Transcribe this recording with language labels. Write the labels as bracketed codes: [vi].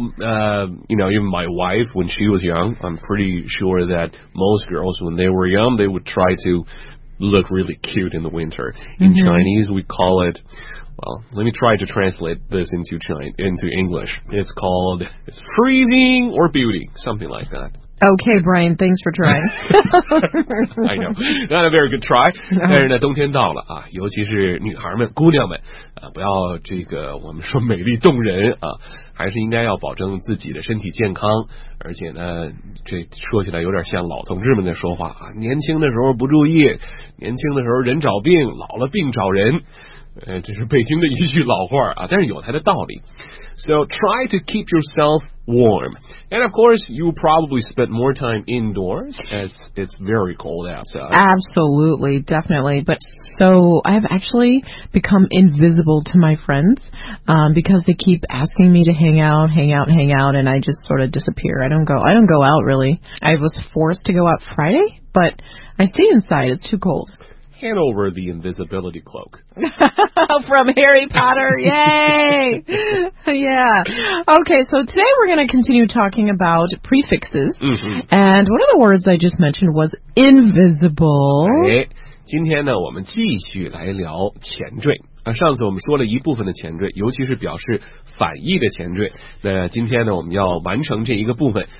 [en] Yeah, I mean, you know, even my wife, when she was young, I'm pretty sure that most girls, when they were young, they would try to look really cute in the winter. In Chinese, we call it, well, let me try to translate this into English. It's called freezing or beauty, something like that. Okay, Brian, thanks for trying. I know. Not a very good try. No. [zh] 但是呢冬天到了啊尤其是女孩们姑娘们啊不要这个我们说美丽动人啊还是应该要保证自己的身体健康而且呢这说起来有点像老同志们在说话啊年轻的时候不注意年轻的时候人找病老了病找人。这是北京的一句老话啊但是有它的道理。 [en] So try to keep yourself warm. And of course, you probably spend more time indoors as it's very cold outside. Absolutely, definitely. But so I have actually become invisible to my friends because they keep asking me to hang out, and I just sort of disappear. I don't go out really. I was forced to go out Friday, but I stay inside. It's too cold. Hand over the invisibility cloak. From Harry Potter. Yay! Yeah. Okay, so today we're going to continue talking about prefixes. Mm-hmm. And one of the words I just mentioned was invisible. Okay. [zh] 今天呢我们继续来聊前缀。上次我们说了一部分的前缀尤其是表示反义的前缀。那今天呢我们要完成这一个部分。